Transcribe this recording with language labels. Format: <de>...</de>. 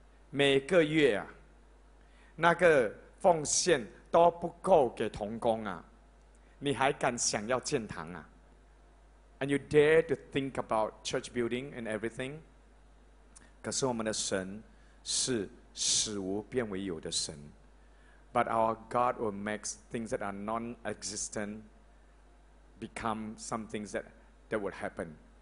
<zh>每个月啊，那个奉献都不够给同工啊，你还敢想要建堂啊？</zh> <en>And you dare to think about church building and everything?</en> <zh>可是我们的神是死无变为有的神。</zh> <en>But our God will make things that are non-existent become some things that will happen.</en>